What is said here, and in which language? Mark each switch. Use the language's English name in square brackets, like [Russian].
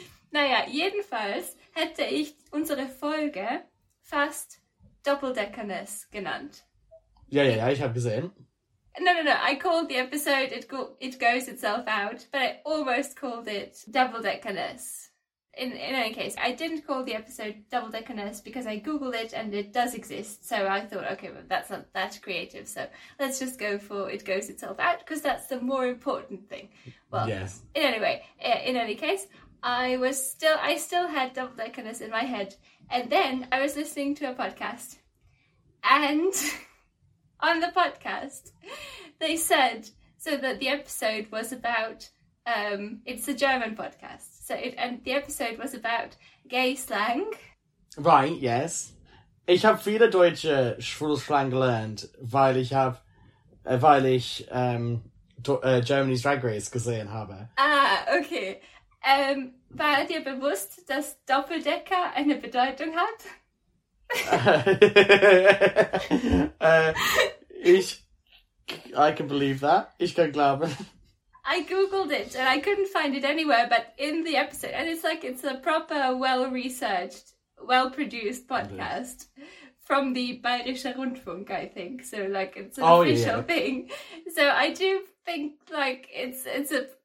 [German] Naja, jedenfalls hätte ich unsere Folge fast Doppeldeckernes genannt. [English] Yeah, yeah, yeah, [German] ich habe gesehen. [English] No. I called the episode It Goes Itself Out, but I almost called it Double-Deckerness. In any case, I didn't call the episode Double-Deckerness because I Googled it and it does exist. So I thought, okay, well, that's not that creative. So let's just go for It Goes Itself Out because that's the more important thing. Well, yes. In any case, I still had Double-Deckerness in my head. And then I was listening to a podcast and... On the podcast, they said, so that the episode was about, it's a German podcast, so it, and the episode was about gay slang. Right, yes. [German] Ich habe viele deutsche Schwulslang gelernt, weil ich Germany's Drag Race gesehen habe. [English] Ah, okay. [German] War dir bewusst, dass Doppeldecker eine Bedeutung hat? [English] I can believe that. [German] Ich kann glauben. [English] I googled it and I couldn't find it anywhere, but in the episode, and it's like, it's a proper, well-researched, well-produced podcast from the Bayerischer Rundfunk, I think. So, like, it's an official thing. So I do think, like, it's a